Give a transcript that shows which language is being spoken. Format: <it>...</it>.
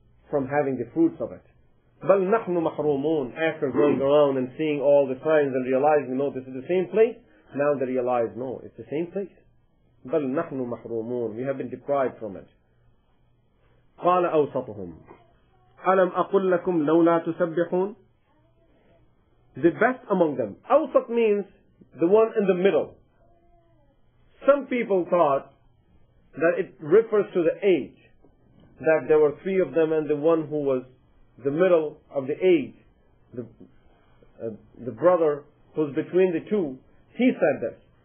<en>From having the fruits of it.</en> <ar>بَلْ نَحْنُ مَحْرُومُونَ</ar> <en>After going around and seeing all the signs and realizing, no, this is the same place. Now they realize, no, it's the same place.</en> <ar>بَلْ نَحْنُ مَحْرُومُونَ</ar> <en>We have been deprived from it.</en> <ar>قَالَ أَوْسَطُهُمْ أَلَمْ أَقُلْ لَكُمْ لَوْلَا تُسَبِّحُونَ</ar> <en>The best among them. أَوْسَط means the one in the middle. Some people thought that it refers to the age, that there were three of them and the one who was the middle of the age, the brother who's between the two, he said this.</en>